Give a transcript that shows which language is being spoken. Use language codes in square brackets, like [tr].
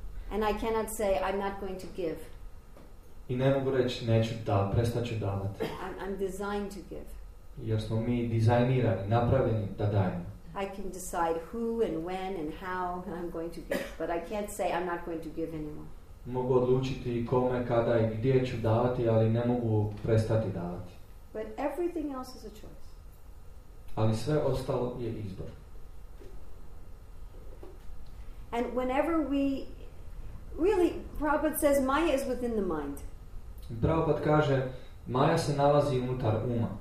[en] And I cannot say I'm not going to give. [hr] I ne mogu reći neću da prestaću davati. [en] I'm designed to give. [hr] Jer smo mi dizajnirani, napravljeni da dajemo. [en] I can decide who and when and how I'm going to give, but I can't say I'm not going to give anymore. [hr] Mogu odlučiti kome, kada i gdje ću davati, ali ne mogu prestati davati. [en] But everything else is a choice. [hr] Ali sve ostalo je izbor. [en] And whenever we really, Prabhupada says Maya is within the mind. [hr] Prabhupada kaže Maja se nalazi unutar uma.